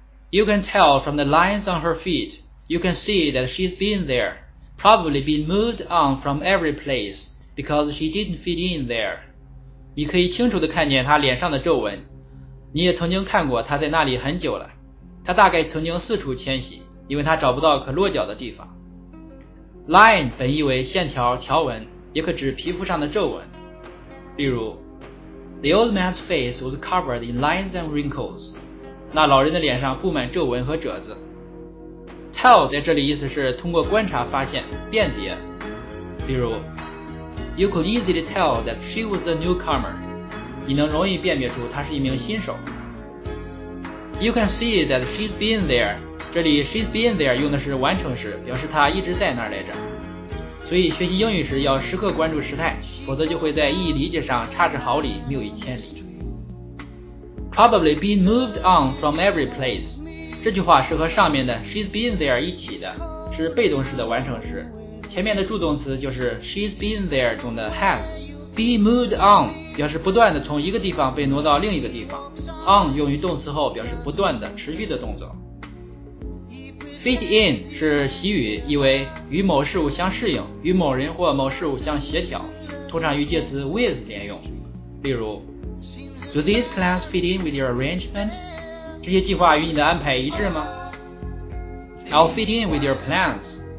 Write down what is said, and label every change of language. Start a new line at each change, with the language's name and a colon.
English: You can tell from the lines on her feet. You can see that she's been there. Probably been moved on from every place because she didn't fit in there.
Chinese: 你可以清楚地看见她脸上的皱纹。你也曾经看过她在那里很久了。她大概曾经四处迁徙，因为她找不到可落脚的地方。 Line 本意为线条、条纹，也可指皮肤上的皱纹。
English: 例如 The old man's face was covered in lines and wrinkles.
Chinese: 那老人的脸上布满皱纹和褶子。 Tell 在这里意思是通过观察发现、辨别。
English: 例如 You could easily tell that she was a newcomer.
Chinese: 你能容易辨别出她是一名新手。
English: You can see that she's been there.
Chinese: 这里
English: she's been there
Chinese: 用的是完成时，表示她一直在那儿来着。所以学习英语时要时刻关注时态，否则就会在意义理解上差之毫厘，谬以千里。
English: Probably been moved on from every place.
Chinese: 这句话是和上面的
English: she's been there
Chinese: 一起的，是被动式的完成时。前面的助动词就是
English: she's been there
Chinese: 中的 has。
English: Be moved on
Chinese: 表示不断的从一个地方被挪到另一个地方。On 用于动词后表示不断的、持续的动作。 Fit in 是习语，意为与某事物相适应，与某人或某事物相协调，通常与介词 with 连用。
English: 例如 Do these plans fit in with your arrangements?
Chinese: 这些计划与你的安排一致吗？
English: I'll fit in with your plans.